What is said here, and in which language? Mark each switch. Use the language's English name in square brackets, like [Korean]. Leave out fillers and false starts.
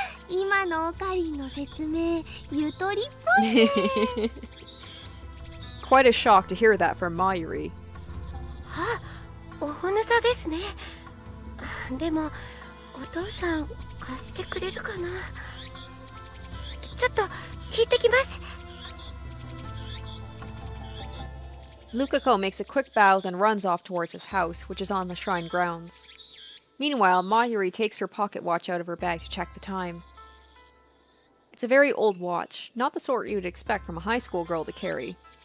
[Japanese] 今のオカリンの説明、ゆとりっぽいね。 [English] Quite a shock to hear that from Mayuri. [Japanese] あ、おほぬさですね。でも、お父さん、貸してくれるかな？ちょっと、聞いてきます。 [English] Lukako makes a quick bow then runs off towards his house, which is on the shrine grounds. Meanwhile, Mayuri takes her pocket watch out of her bag to check the time. It's a very old watch, not the sort you'd expect from a high school girl to carry.